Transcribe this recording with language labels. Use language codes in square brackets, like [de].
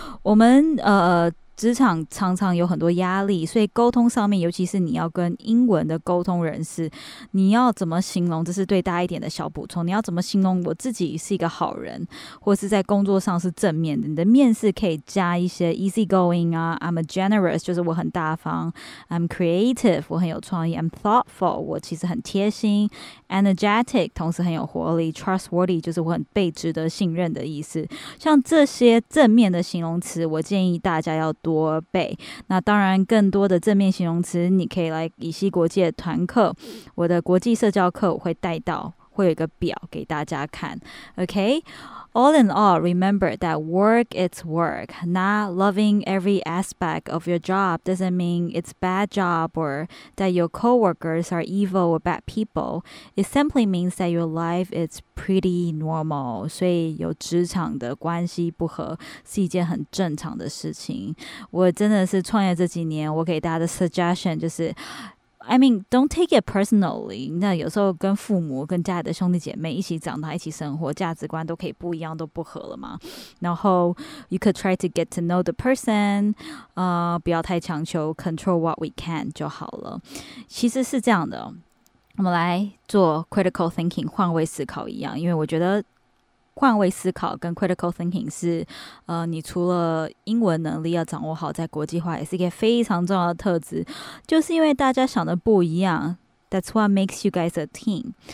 [zh] 我们职场常常有很多压力，所以沟通上面，尤其是你要跟英文的沟通人士，你要怎么形容，这是对大一点的小补充，你要怎么形容我自己是一个好人，或是在工作上是正面的，你的面试可以加一些 easygoing 啊， [en] I'm a generous， [zh] 就是我很大方， [en] I'm creative， [zh] 我很有创意， [en] I'm thoughtful， [zh] 我其实很贴心， energetic， 同时很有活力， trustworthy， 就是我很被值得信任的意思。像这些正面的形容词，我建议大家要多背。那当然更多的正面形容词你可以来以西国际的团课，我的国际社交课我会带到，会有一个表给大家看。 [en] OK， All in all, remember that work is work. Not loving every aspect of your job doesn't mean it's a bad job or that your coworkers are evil or bad people. It simply means that your life is pretty normal. [zh] 所以有职场的关系不合是一件很正常的事情。我真的是创业这几年，我给大家的 suggestion 就是 [en] I mean, don't take it personally. [zh] 那有时候跟父母、跟家里的兄弟姐妹一起长大、一起生活，价值观都可以不一样，都不合了嘛。 [en] 然后 you could try to get to know the person, [zh] 不要太强求 [en] control what we can [zh] 就好了。其实是这样的，我们来做 critical thinking, 换位思考一样，因为我觉得换位思考跟 critical thinking 是你除了英文能力要掌握好，在国际化也是一个非常重要的特质，就是因为大家想的不一样， [en] That's what makes you guys a team.